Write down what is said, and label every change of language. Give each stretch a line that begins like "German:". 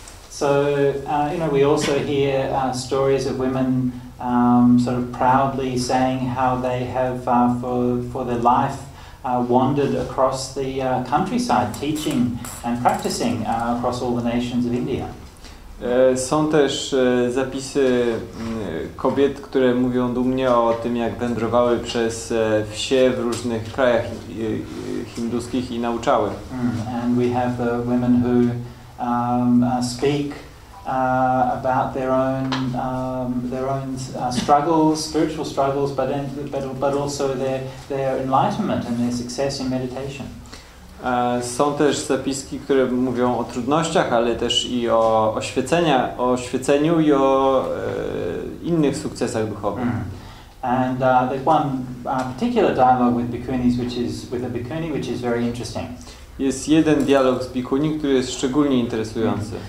English: So, you know, we also hear stories of women sort of proudly saying how they have for their life wandered across the countryside teaching and practicing across all the nations of India.
Polish: Są też zapisy kobiet, które mówią dumnie o tym, jak wędrowały przez wsie w różnych krajach hinduskich i nauczały.
English: And we have the women who speak about their own struggles, spiritual struggles, but also their enlightenment and their success in meditation.
Polish: Są też zapiski, które mówią o trudnościach, ale też i o oświeceniu i o innych sukcesach duchowych.
English: And there's one particular dialogue with bhikkhunis, which is very interesting.
Polish: Jest jeden dialog z bhikkhuni, który jest szczególnie interesujący.